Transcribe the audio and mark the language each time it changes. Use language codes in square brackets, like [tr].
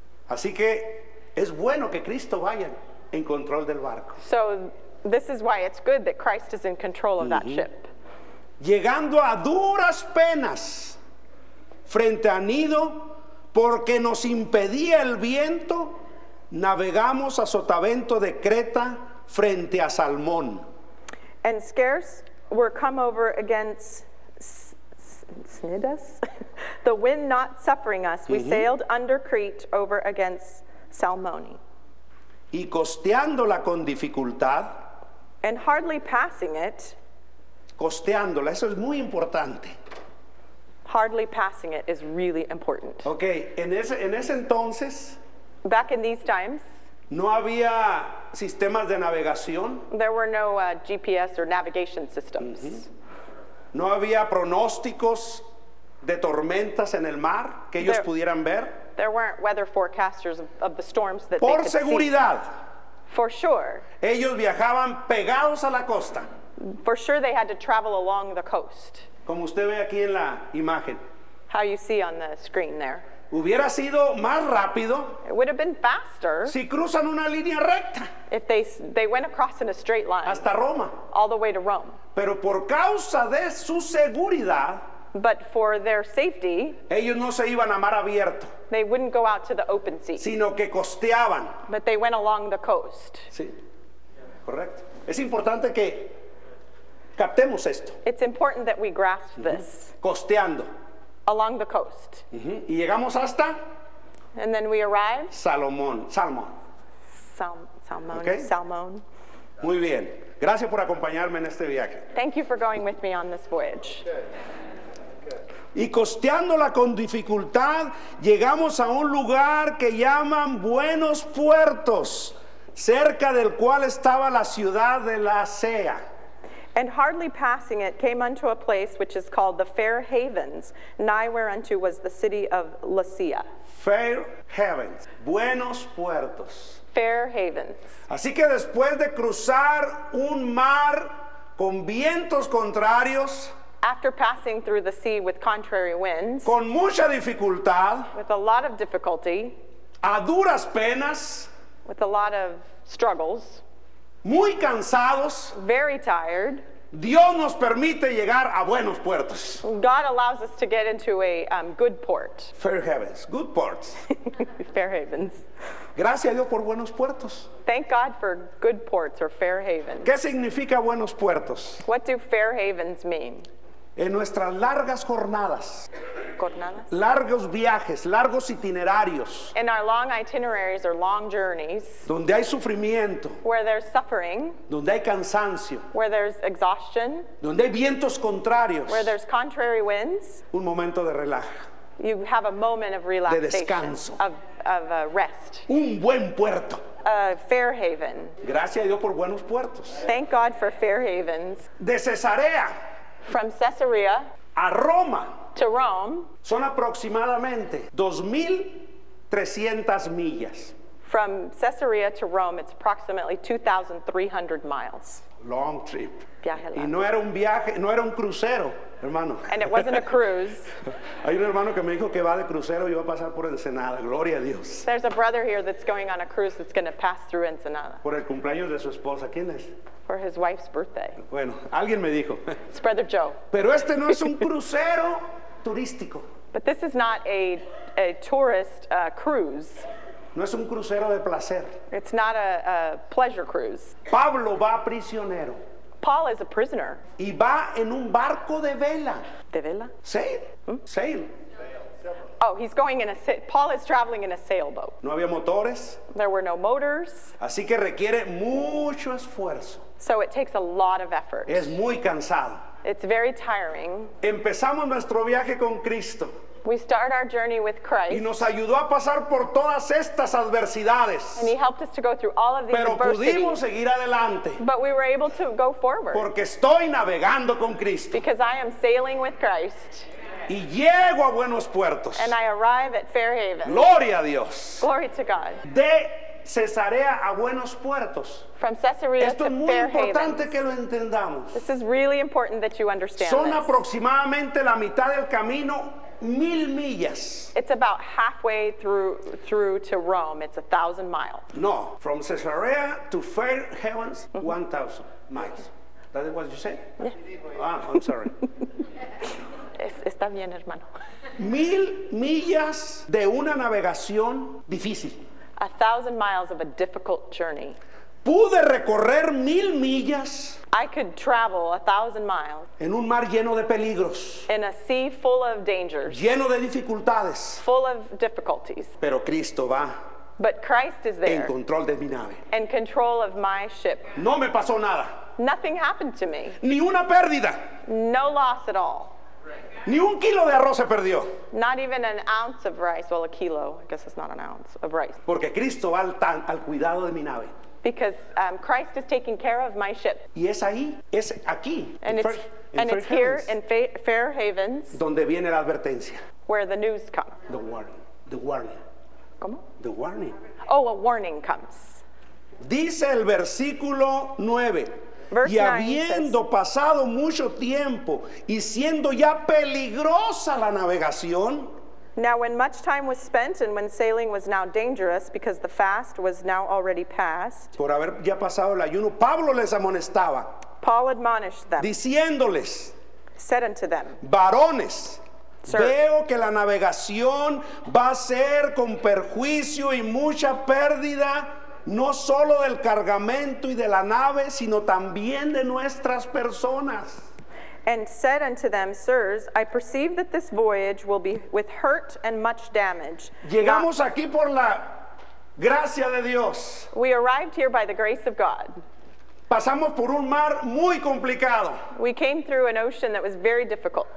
[es] Así que es bueno que Cristo vaya en control del barco. [en] So this is why it's good that Christ is in control of mm-hmm. that ship. [es] Llegando a duras penas frente a Nido porque nos impedía el viento, navegamos a sotavento de Creta frente a Salmón. [en] And scarce were come over against Snidus. The wind not suffering us, we mm-hmm. sailed under Crete over against Salmoni. [es] Y costeándola con dificultad. [en] And hardly passing it. [es] Costeándola, eso es muy importante. [en] Hardly passing it is really important. [es] Okay, en ese entonces. [en] Back in these times. [es] No había sistemas de navegación. [en] There were no GPS or navigation systems. Mm-hmm. [es] No había pronósticos de tormentas en el mar que ellos pudieran ver. [en] There weren't weather forecasters of the storms that [es] por [en] they [es] seguridad. [en] Could see. For sure. [es] Ellos viajaban pegados a la costa. [en] For sure they had to travel along the coast. [es] Como usted ve aquí en la imagen. [en] How you see on the screen there. [es] Hubiera sido más rápido. [en] It would have been faster. [es] Si cruzan una línea recta. [en] If they went across in a straight line. [es] Hasta Roma. [en] All the way to Rome. [es] Pero por causa de su seguridad. [en] But for their safety. [es] Ellos no se iban a mar abierto. [en] They wouldn't go out to the open sea. [es] Sino que costeaban. [en] But they went along the coast. [es] Sí. Correcto. Es importante que captemos esto. [en] It's important that we grasp this. [es] Costeando. [en] Along the coast. [es] Y llegamos hasta. [en] And then we arrive. [es] Salomón. Salmón. Salmón. Okay. Salmón. Muy bien. Gracias por acompañarme en este viaje. [en] Thank you for going with me on this voyage. [es] Y costeándola con dificultad, llegamos a un lugar que llaman Buenos Puertos, cerca del cual estaba la ciudad de La Sea. [en] And hardly passing it, came unto a place which is called the Fair Havens, nigh whereunto was the city of Lycia. Fair Havens, Buenos Puertos. Fair Havens. [es] Así que después de cruzar un mar con vientos contrarios, [en] after passing through the sea with contrary winds, [es] con mucha dificultad, [en] with a lot of difficulty, [es] a duras penas, [en] with a lot of struggles, [es] muy cansados, [en] very tired, [es] Dios nos permite llegar a buenos puertos. [en] God allows us to get into a good port. Fair heavens, good ports. Fair havens. [es] Gracias a Dios por buenos puertos. [en] Thank God for good ports or fair havens. [es] ¿Qué significa buenos puertos? [en] What do fair havens mean? [es] En nuestras largas jornadas. ¿Jornadas? Largos viajes, largos itinerarios. [en] In our long itineraries or long journeys. [es] Donde hay sufrimiento. [en] Where there's suffering. [es] Donde hay cansancio. [en] Where there's exhaustion. [es] Donde hay vientos contrarios. [en] Where there's contrary winds. [es] Un momento de relaj. [en] You have a moment of relaxation. [es] De descanso. [en] Of rest. [es] Un buen puerto. [en] A fair haven. [es] Gracias a Dios por buenos puertos. [en] Thank God for fair havens. [es] De Cesarea. [en] From Caesarea [es] a Roma, [en] to Rome, [es] son aproximadamente 2,300 millas. [en] From Caesarea to Rome, it's approximately 2,300 miles. Long trip. [es] Viaje largo. Y no era un viaje, no era un crucero, hermano. [en] And it wasn't a cruise. [es] Hay un hermano que me dijo que va de crucero y va a pasar por Ensenada. Gloria a Dios. [en] There's a brother here that's going on a cruise that's going to pass through Ensenada. [es] Por el cumpleaños de su esposa, ¿quién es? [en] For his wife's birthday. [es] Bueno, alguien me dijo. [en] It's Brother Joe. [es] Pero este no es un crucero turístico. [en] But this is not a tourist cruise. [es] No es un crucero de placer. [en] It's not a pleasure cruise. [es] Pablo va prisionero. [en] Paul is a prisoner. [es] Y va en un barco de vela. De vela? [en] Sail. Sail. Oh, he's going in a Paul is traveling in a sailboat. [es] No había motores. [en] There were no motors. [es] Así que requiere mucho esfuerzo. [en] So it takes a lot of effort. [es] Es muy cansado. [en] It's very tiring. [es] Empezamos nuestro viaje con Cristo. [en] We start our journey with Christ. [es] Y nos ayudó a pasar por todas estas adversidades. [en] And he helped us to go through all of these [es] Pero [en] adversities. [es] Pero pudimos seguir adelante. [en] But we were able to go forward. [es] Porque estoy navegando con Cristo. [en] Because I am sailing with Christ. [es] Y llego a buenos puertos. [en] And I arrive at Fair Haven. [es] Gloria a Dios. [en] Glory to God. [es] De Cesarea a buenos puertos. [en] From Caesarea [es] Esto [en] to [es] es muy [en] Fair [es] importante [en] Havens. [es] Que lo entendamos. [en] This is really important that you understand [es] Son [en] this. [es] Aproximadamente la mitad del camino, 1,000 millas. [en] It's about halfway through to Rome. It's 1,000 miles. No, from Caesarea to Fair Havens, 1,000 miles. That is what you said? Yeah. Ah, I'm sorry. [es] Está bien, hermano. 1,000 millas de una navegación difícil. [en] 1,000 miles of a difficult journey. [es] Pude recorrer 1,000 millas. [en] I could travel 1,000 miles. [es] En un mar lleno de peligros. [en] In a sea full of dangers. [es] Lleno de dificultades. [en] Full of difficulties. [es] Pero Cristo va. [en] But Christ is there. [es] En control de mi nave. [en] In control of my ship. [es] No me pasó nada. [en] Nothing happened to me. [es] Ni una pérdida. [en] No loss at all. [es] Ni un kilo de arroz se perdió. [en] Not even an ounce of rice. Well, a kilo. I guess it's not an ounce of rice. [es] Porque Cristo va al cuidado de mi nave. [en] Because Christ is taking care of my ship. [es] Y es ahí, es aquí. [en] And it's here in Fair Havens. [es] Donde viene la advertencia. [en] Where the news comes. The warning. The warning. [es] ¿Cómo? [en] The warning. Oh, a warning comes. [es] Dice el versículo 9. Y habiendo pasado mucho tiempo y siendo ya peligrosa la navegación. [en] Now when much time was spent and when sailing was now dangerous because the fast was now already past. [es] Por haber ya pasado el ayuno, Pablo les amonestaba. [en] Paul admonished them. [es] Diciéndoles. [en] Said unto them. [es] Varones. Veo que la navegación va a ser con perjuicio y mucha pérdida, no solo del cargamento y de la nave, sino también de nuestras personas. [en] And said unto them, sirs, I perceive that this voyage will be with hurt and much damage. [es] Llegamos aquí por la gracia de Dios. [en] We arrived here by the grace of God. [es] Pasamos por un mar muy complicado. [en] We came through an ocean that was very difficult.